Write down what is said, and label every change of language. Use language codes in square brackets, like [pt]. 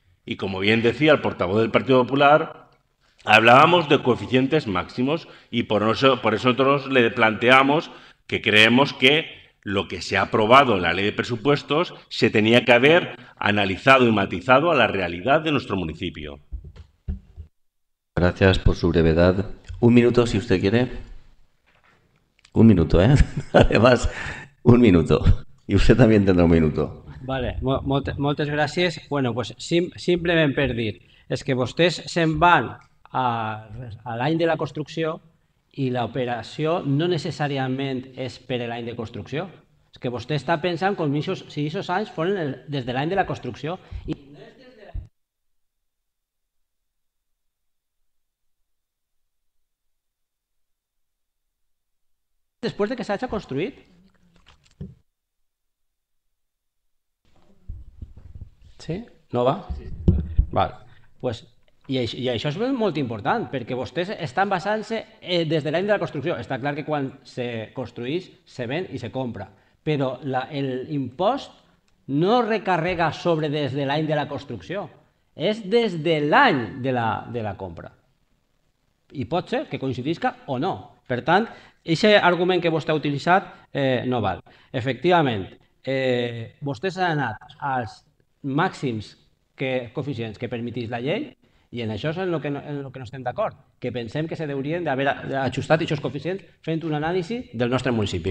[es] Y como bien decía el portavoz del Partido Popular, hablábamos de coeficientes máximos y por eso nosotros le planteamos que creemos que lo que se ha aprobado en la ley de presupuestos se tenía que haber analizado y matizado a la realidad de nuestro municipio. Gracias por su brevedad. Un minuto, si usted quiere. Un minuto, ¿eh? Además, un minuto. Y usted también tendrá un minuto. [ca] Vale, moltes gràcies. Bueno, pues simplement per dir, és que vostès se'n van a l'any de la construcció i l'operació no necessàriament és per l'any de construcció. És que vostè està pensant com si aquests anys foren des de l'any de la construcció. I... [es] Después de que se haya construido. ¿Sí? ¿No va? Vale. Pues, y eso es muy importante, porque ustedes están basándose desde el año de la construcción. Está claro que cuando se construís, se vende y se compra. Pero el impuesto no recarga sobre desde el año de la construcción. Es desde el año de la compra. Y puede ser que coincidisca o no. [ca] Per tant, ese argument que vostè ha utilitzat no val. Efectivament, vostè s'ha anat als màxims coeficients que permetís la llei i en això és en el que no estem d'acord, que pensem que s'haurien d'haver ajustat aquests coeficients fent un anàlisi del nostre municipi.